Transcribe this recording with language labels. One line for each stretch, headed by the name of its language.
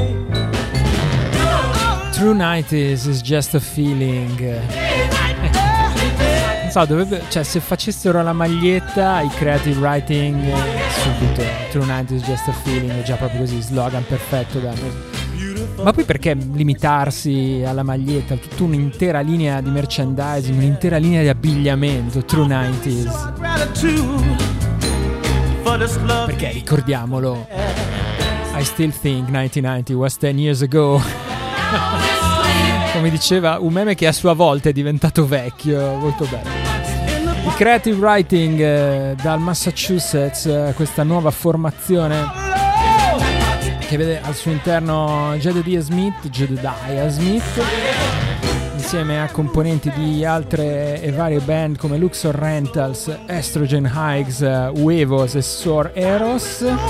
English: Blue Night is just a feeling.
Italian: Non so, dovrebbe, cioè, se facessero la maglietta, i creative writing, subito.
English: True Night is just a feeling,
Italian: è già proprio così, slogan perfetto. Ma poi perché limitarsi alla maglietta? Tutta un'intera linea di merchandising, un'intera linea di abbigliamento, True 90s. Perché ricordiamolo,
English: I still think 1990 was 10 years ago.
Italian: Come diceva un meme che a sua volta è diventato vecchio, molto bello. Il creative writing dal Massachusetts, questa nuova formazione che vede al suo interno Jedediah Smith insieme a componenti di altre e varie band come Luxor Rentals, Estrogen Hikes, Huevos e Soar Eros.